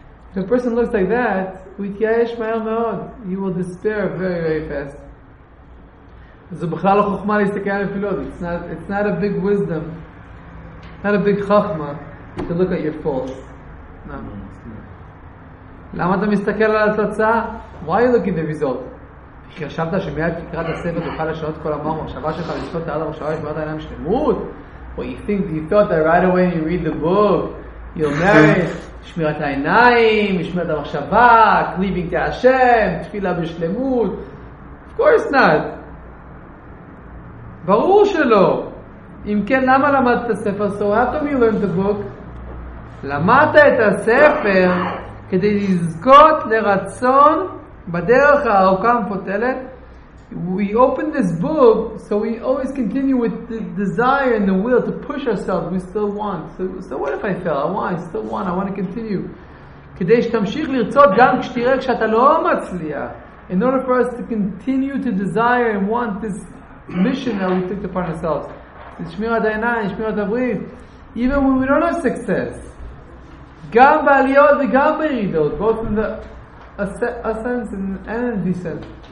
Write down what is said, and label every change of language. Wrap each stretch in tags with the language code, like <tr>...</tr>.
<en>If a person looks like that,</en> <he>הוא יתייאש מהר מאוד,</he> <en>he will despair very, very fast.</en> <he>זה בכלל לא חוכמה להסתכל על הפילות.</he> <en>It's not a big wisdom, not a big חוכמה to look at your faults. No.</en> <he>למה אתה מסתכל על התוצאה?</he> <en>Why are you looking at the result?</en> <he>כי חשבת שמיד תקראת הספר תוכל לשנות כל המוח המחשבה שלך לזכות על המחשבה ושמרת עליהם שלמות?</he> <en>Well, you thought that right away you read the book, you'll merit שמירת העיניים, שמירת המחשבה, cleaving to Hashem, תפילה בשלמות. Of course not.</en> <he>ברור שלא. אם כן, למה למדת את הספר?</he> <en>So how come you learned the book?</en> <he>למדת את הספר כדי לזכות לרצון בדרך הארוכה המפותלת.</he> <en>We open this book so we always continue with the desire and the will to push ourselves. We still want. So what if I fail? I want to continue.</en> <he>כדי שתמשיך לרצות גם כשתראה כשאתה לא מצליח.</he> <en>In order for us to continue to desire and want this mission that we took upon ourselves.</en> <he>שמירת העיניים, שמירת הברית.</he> <en>Even when we don't have success.</en> <he>גם בעליות וגם בירידות,</he> <en>both in the ascent and in descent.</en>